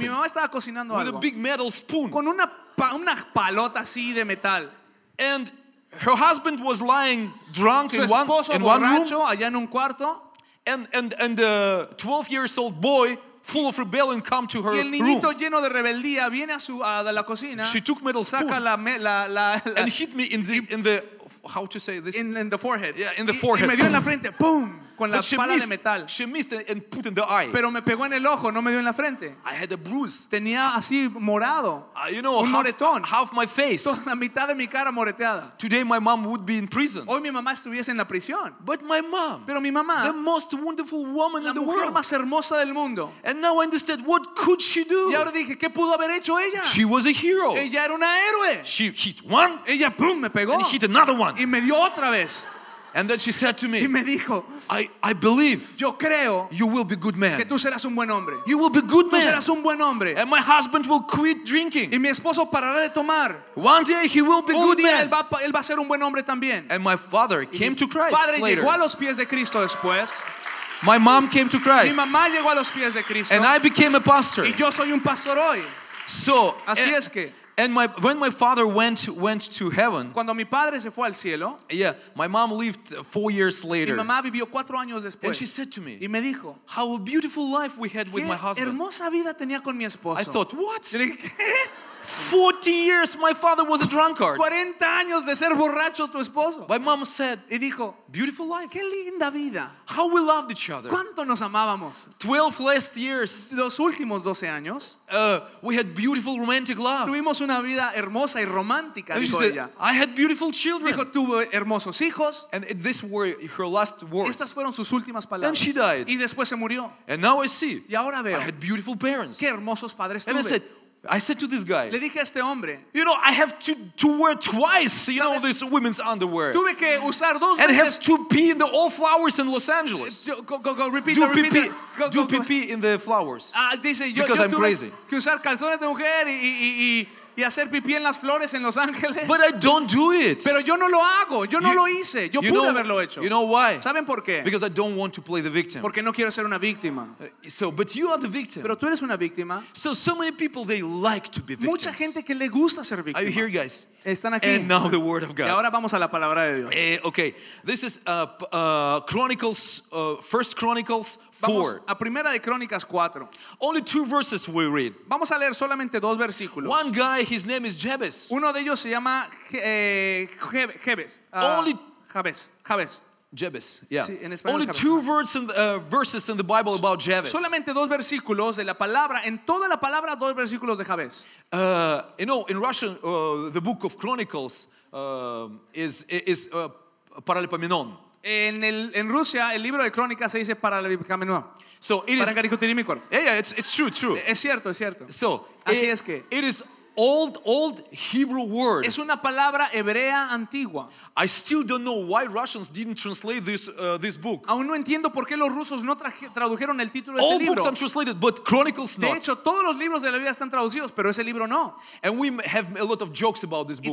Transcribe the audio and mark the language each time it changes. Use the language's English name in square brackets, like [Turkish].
[Spanish] Y mi mamá estaba cocinando [English] with [Spanish] algo. [English] A big metal spoon. [Spanish] Con una palota así de metal. [English] And her husband was lying drunk [Spanish] su esposo [English] in one [Spanish] borracho, [English] room. [Spanish] Allá en un cuarto. [English] And the 12 years old boy full of rebellion come to her [Spanish] y el niñito [English] room. [Spanish] Lleno de rebeldía viene a su a la cocina. [English] She took metal spoon. [Spanish] Saca la [English] and hit me in the how to say this? In the forehead. Yeah, in the forehead. [Spanish] Y me dio en la frente, boom, con la pala de metal. [English] She missed and put in the eye. [Spanish] Pero me pegó en el ojo, no me dio en la frente. [English] I had a bruise. [Spanish] Tenía así morado. [English] You know, [Spanish] un moretón. [English] Half my face. [Spanish] La mitad de mi cara moreteada. [English] Today my mom would be in prison. [Spanish] Hoy mi mamá estuviese en la prisión. [English] But my mom. [Spanish] Pero mi mamá. [English] The most wonderful woman in the world. [Spanish] La mujer más hermosa del mundo. [English] And now I understood what could she do? [Spanish] Y ahora dije, ¿qué pudo haber hecho ella? [English] She was a hero. [Spanish] Ella era una héroe. [English] She hit one. [Spanish] Ella boom me pegó. [English] And hit another one. [Spanish] Y me dio otra vez. [English] And then she said to me, [Spanish] y me dijo, [English] I believe [Spanish] yo creo [English] you will be good man. [Spanish] Que tú serás un buen hombre. [English] You will be good [Spanish] tú [English] man. [Spanish] Serás un buen hombre. [English] And my husband will quit drinking. [Spanish] Y mi esposo parará de tomar. [English] One day he will be [Spanish] un [English] good [Spanish] día [English] man. [Spanish] Él va a ser un buen hombre también. [English] And my father came to Christ [Spanish] padre [English] later. [Spanish] Llegó a los pies de Cristo después. [English] My mom came to Christ. [Spanish] Mi mamá llegó a los pies de Cristo. [English] And I became a pastor. [Spanish] Y yo soy un pastor hoy. [English] So, [Spanish] así es que [English] and when my father went to heaven, [Spanish] cuando mi padre se fue al cielo, [English] yeah, my mom lived 4 years later. [Spanish] Mi mamá vivió 4 años después. [English] And she said to me, [Spanish] y me dijo, [English] how a beautiful life we had with my husband. [Spanish] Hermosa vida tenía con mi esposo. [English] I thought, what? [Spanish] Le dije, ¿qué? [English] 40 years my father was a drunkard. [Spanish] 40 años de ser borracho tu esposo. [English] My mom said, [Spanish] y dijo, [English] beautiful life. [Spanish] Qué linda vida. [English] How we loved each other. [Spanish] ¿Cuánto nos amábamos? [English] 12 last years. [Spanish] Los últimos 12 años. [English] We had beautiful romantic love. [Spanish] Tuvimos una vida hermosa y romántica, [English] and [Spanish] dijo [English] she said, [Spanish] ella. [English] I had beautiful children. [Spanish] Dijo, tuve hermosos hijos. [English] And this were her last words. [Spanish] Estas fueron sus últimas palabras. [English] And she died. [Spanish] Y después se murió. [English] And now I see. [Spanish] Y ahora veo. [English] I had beautiful parents. [Spanish] Qué hermosos padres [English] and [Spanish] tuve. [English] I said, I said to this guy, [Spanish] le dije a este hombre, [English] you know, I have to wear twice, you know, this women's underwear. [Spanish] Tuve que usar dos [English] and have to pee in the all flowers in Los Angeles. Go, repeat. Do repeat pee, that. Go, do go, pee, go. Pee in the flowers. [Spanish] Dice, [English] because [Spanish] yo [English] I'm crazy. [Spanish] Que usar calzones de mujer y hacer pipí en las flores en Los Ángeles. [English] But I don't do it. [Spanish] Pero yo no lo hago. Yo no lo hice. Yo pude haberlo hecho. [English] You know why? [Spanish] ¿Saben por qué? [English] Because I don't want to play the victim. [Spanish] Porque no quiero ser una víctima. [English] So, but you are the victim. [Spanish] Pero tú eres una víctima. [English] So many people they like to be victims. [Spanish] Mucha gente que le gusta ser víctima. [English] Are you here, guys? [Spanish] Están aquí. [English] And now the word of God. [Spanish] Y ahora vamos a la palabra de Dios. [English] Okay. This is Chronicles, First Chronicles 4. [Spanish] Vamos a Primera de Crónicas 4. [English] Only two verses we read. [Spanish] Vamos a leer solamente dos versículos. [English] One guy, his name is Jabez. [Spanish] Uno de ellos se llama Jabez. [English] Only Jabez. Jabez, yeah. [Spanish] Sí, en español, [English] only Jabez. Two words in the, verses in the Bible about Jabez. [Spanish] Solamente dos versículos de la palabra. En toda la palabra, dos versículos de Jabez. [English] You know, in Russian, the book of Chronicles is Paralipomenon. [Spanish] En Rusia el libro de Crónicas se dice para la Biblia. [English] So it is. [Spanish] Para [English] yeah, it's true, true. [Spanish] Es cierto. [English] So [Spanish] así es que. [English] It is old Hebrew word. [Spanish] Es una palabra hebrea antigua. [English] I still don't know why Russians didn't translate this book. [Spanish] Aún no entiendo por qué los rusos no tradujeron el título de [English] all [Spanish] ese libro. [English] All books are translated, but Chronicles not. [Spanish] De hecho, todos los libros de la Biblia están traducidos, pero ese libro no. [English] And we have a lot of jokes about this book.